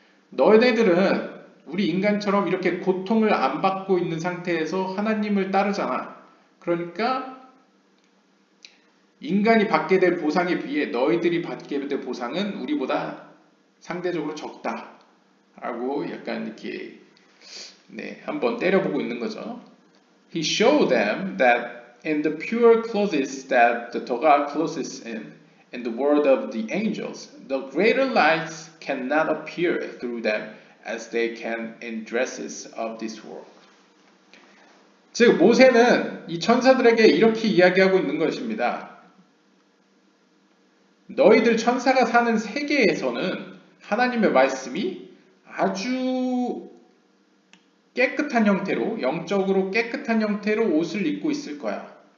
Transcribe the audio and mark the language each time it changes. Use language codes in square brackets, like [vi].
[ko] 너희들은 우리 인간처럼 이렇게 고통을 안 받고 있는 상태에서 하나님을 따르잖아. 그러니까 인간이 받게 될 보상에 비해 너희들이 받게 될 보상은 우리보다 상대적으로 적다. 라고 약간 이렇게 한번 때려보고 있는 거죠. [en] He showed them that in the pure closes that the Torah closes in the word of the angels, the greater lights cannot appear through them as they can in dresses of this world. [ko] 즉 모세는 이 천사들에게 이렇게 이야기하고 있는 것입니다. 너희들 천사가 사는 세계에서는 하나님의 말씀이 아주 깨끗한 형태로, 영적으로 깨끗한 형태로 옷을 입고 있을 거야.